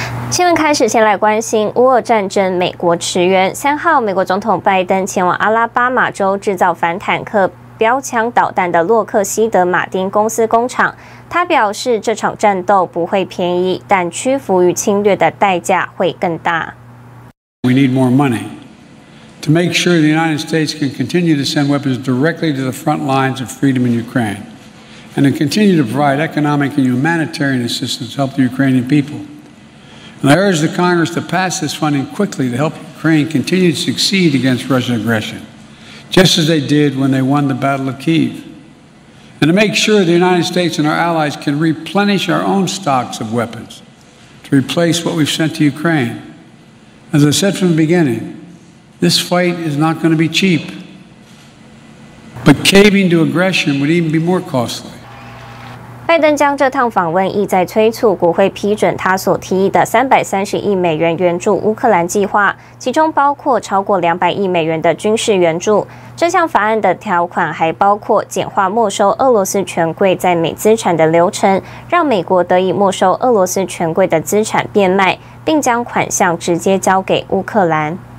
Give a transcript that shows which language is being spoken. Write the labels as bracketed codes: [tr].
[zh] 新闻开始，先来关心乌俄战争，美国驰援。三号，美国总统拜登前往阿拉巴马州制造反坦克标枪导弹的洛克希德马丁公司工厂，他表示这场战斗不会便宜，但屈服于侵略的代价会更大。 [en] We need more money to make sure the United States can continue to send weapons directly to the front lines of freedom in Ukraine, and to continue to provide economic and humanitarian assistance to help the Ukrainian people. And I urge the Congress to pass this funding quickly to help Ukraine continue to succeed against Russian aggression, just as they did when they won the Battle of Kyiv, and to make sure the United States and our allies can replenish our own stocks of weapons to replace what we've sent to Ukraine. As I said from the beginning, this fight is not going to be cheap. But caving to aggression would even be more costly. [zh] 拜登将这趟访问意在催促国会批准他所提议的$330亿援助乌克兰计划，其中包括超过$200亿的军事援助。这项法案的条款还包括简化没收俄罗斯权贵在美资产的流程，让美国得以没收俄罗斯权贵的资产变卖，并将款项直接交给乌克兰。